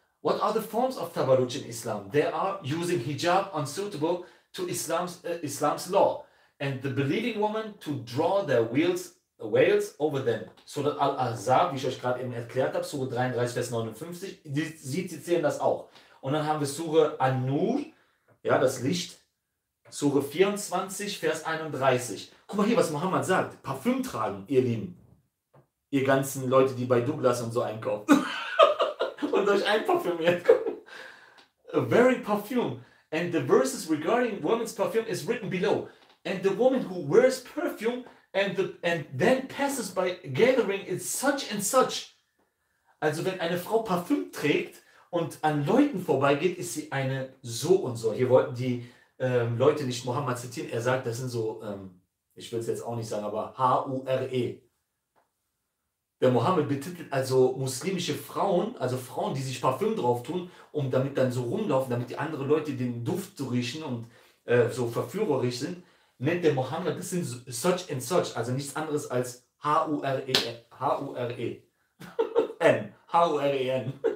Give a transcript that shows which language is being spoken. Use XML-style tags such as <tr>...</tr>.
<en>What are the forms of Tabarruj in Islam? They are using hijab unsuitable to Islam's law and the believing woman to draw their veils over them.</en> <de>Surat Al-Ahzab, wie ich euch gerade eben erklärt habe, Surah 33, Vers 59, sie zitieren das auch. Und dann haben wir Surah An-Nur, ja, das Licht, Surah 24, Vers 31. Guck mal hier, was Muhammad sagt. Parfüm tragen, ihr Lieben. Ihr ganzen Leute, die bei Douglas und so einkaufen und euch einparfümiert.</de> <en>Very perfume. And the verses regarding women's perfume is written below. And the woman who wears perfume and then passes by gathering is such and such.</en> <de>Also wenn eine Frau Parfüm trägt und an Leuten vorbeigeht, ist sie eine so und so. Hier wollten die Leute nicht Mohammed zitieren. Er sagt, das sind so, ich will es jetzt auch nicht sagen, aber H-U-R-E. Der Mohammed betitelt also muslimische Frauen, also Frauen, die sich Parfüm drauf tun, um damit dann so rumlaufen, damit die anderen Leute den Duft so riechen und so verführerisch sind, nennt der Mohammed, das sind</de> <en>such and such,</en> <de>also nichts anderes als H-U-R-E-N.</de>